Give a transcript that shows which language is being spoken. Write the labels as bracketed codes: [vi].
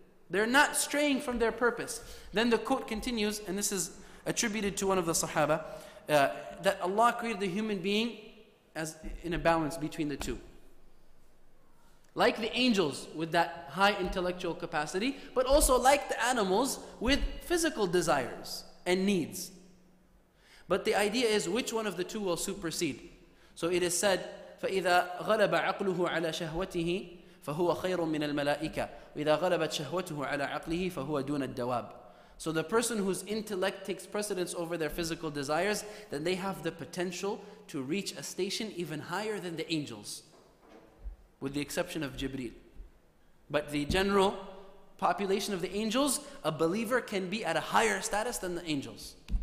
[en] They're not straying from their purpose. Then the quote continues, and this is attributed to one of the Sahaba, that Allah created the human being as in a balance between the two. Like the angels with that high intellectual capacity, but also like the animals with physical desires and needs. But the idea is, which one of the two will supersede? So it is said, [ar] فَإِذَا غَلَبَ عَقْلُهُ عَلَى شَهْوَتِهِ فَهُوَ خَيْرٌ مِّنَ الْمَلَائِكَةِ وَإِذَا غَلَبَتْ شَهْوَتُهُ عَلَى عَقْلِهِ فَهُوَ دُونَ الدَّوَابِ. [en] So the person whose intellect takes precedence over their physical desires, then they have the potential to reach a station even higher than the angels, with the exception of Jibreel. But the general population of the angels, a believer can be at a higher status than the angels.